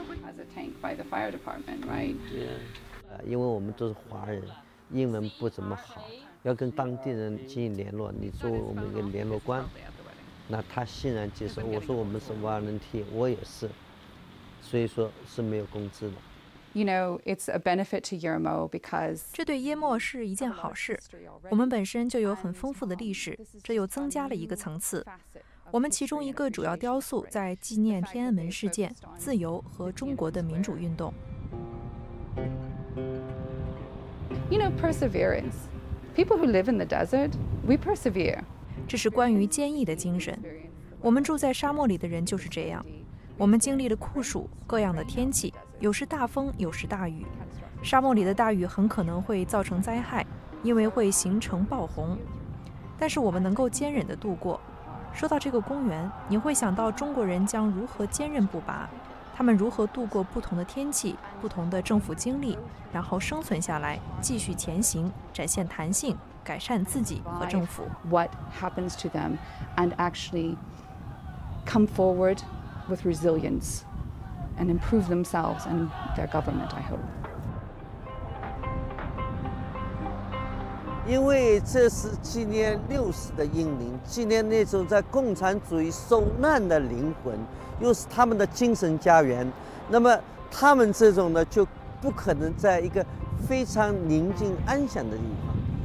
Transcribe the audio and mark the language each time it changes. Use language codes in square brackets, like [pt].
[en] As a tank by the fire department, right? Yeah. [zh] 因为我们都是华人，英文不怎么好，要跟当地人进行联络。你作为我们一个联络官，那他欣然接受。我说我们是 volunteer， 我也是，所以说是没有工资的。 [en] You know, it's a benefit to Yermo because [zh] 这对耶莫是一件好事。我们本身就有很丰富的历史，这又增加了一个层次。我们其中一个主要雕塑在纪念天安门事件、自由和中国的民主运动。 [en] You know, perseverance. People who live in the desert, we persevere. [zh] 这是关于坚毅的精神。我们住在沙漠里的人就是这样。我们经历了酷暑、各样的天气，有时大风，有时大雨。沙漠里的大雨很可能会造成灾害，因为会形成爆洪。但是我们能够坚忍地度过。说到这个公园，你会想到中国人将如何坚韧不拔，他们如何度过不同的天气、不同的政府经历，然后生存下来，继续前行，展现弹性，改善自己和政府。 [en] What happens to them, and actually come forward? With resilience and improve themselves and their government, I hope. [zh] 因为这是纪念60的英灵，纪念那种在共产主义受难的灵魂，又是他们的精神家园。那么他们这种呢，就不可能在一个非常宁静安详的地方。